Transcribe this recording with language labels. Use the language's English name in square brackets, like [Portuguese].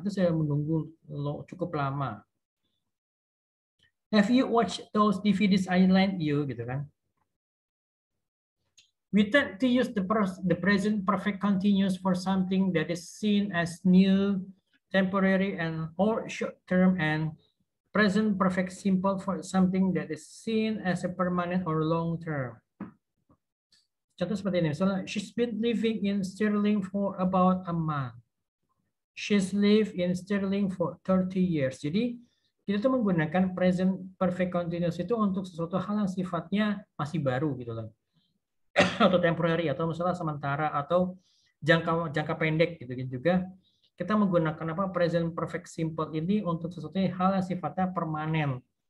[Indonesian] Itu saya menunggu cukup lama. [English] Have you watched those DVDs I lent you? Gitu kan? We tend to use the present perfect continuous for something that is seen as new, temporary, and or short term, and present perfect simple for something that is seen as a permanent or long term. Contoh seperti ini. So, she's been living in Stirling for about a month. She's lived in Stirling for 30 years. [Indonesian] Jadi kita tuh menggunakan present perfect continuous itu untuk sesuatu hal yang sifatnya masih baru gitu loh. Atau temporary atau misalnya sementara atau jangka pendek gitu juga. Kita menggunakan apa present perfect simple ini untuk sesuatu hal yang sifatnya permanen.